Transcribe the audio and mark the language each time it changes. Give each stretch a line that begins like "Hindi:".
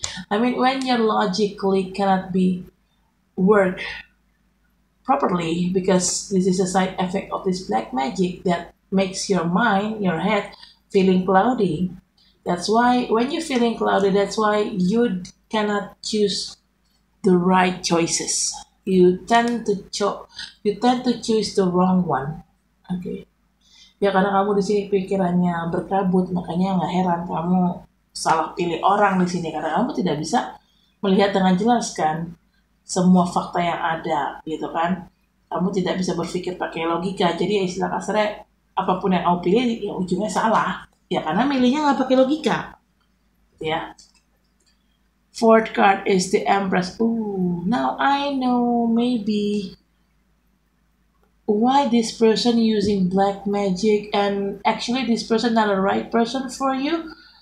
English: I mean, when your logically cannot be work properly, because this is a side effect of this black magic that makes your mind, your head, feeling cloudy. That's why when you're feeling cloudy, that's why you cannot choose the right choices. You tend to choose the wrong one. Okay.
Indonesian: Ya, karena kamu di sini pikirannya berkabut, makanya nggak heran kamu salah pilih orang di sini, karena kamu tidak bisa melihat dengan jelas kan semua fakta yang ada gitu kan. Kamu tidak bisa berpikir pakai logika. Jadi ya istilah kasarnya, apapun yang kamu pilih ya ujungnya salah. Ya karena milihnya enggak pakai logika.
English: Ya. Fourth card is the Empress. Ooh, now I know maybe why this person using black magic, and actually this person not the right person for you.